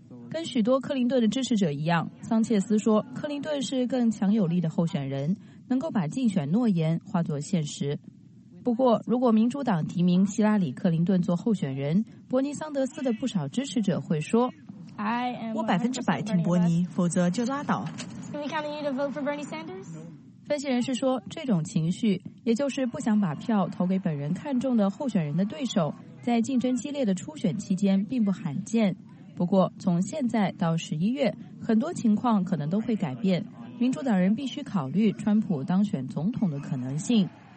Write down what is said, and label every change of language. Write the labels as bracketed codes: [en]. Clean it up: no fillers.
[zh] 跟许多克林顿的支持者一样，桑切斯说克林顿是更强有力的候选人，能够把竞选诺言化作现实。不过如果民主党提名希拉里·克林顿做候选人，伯尼·桑德斯的不少支持者会说，我100% 挺伯尼，否则就拉倒。 [en] Can we count on you to vote for Bernie Sanders? [zh] 分析人士说，这种情绪，也就是不想把票投给本人看中的候选人的对手，在竞争激烈的初选期间并不罕见。不过，从现在到11月，很多情况可能都会改变。民主党人必须考虑川普当选总统的可能性。